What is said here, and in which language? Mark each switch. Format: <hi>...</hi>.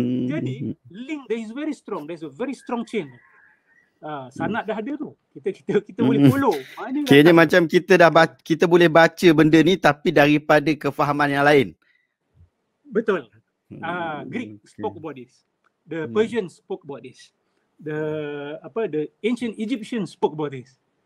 <en>Jadi link there is very strong, there's a very strong chain.</en> <ms>Sanad dah ada tu. Kita boleh follow. Kayaknya macam kita boleh baca benda ni tapi daripada kefahaman yang lain. Betul.</ms> <en>Greek spoke about this. The Persians spoke about this. The apa, the ancient Egyptians spoke about this.</en>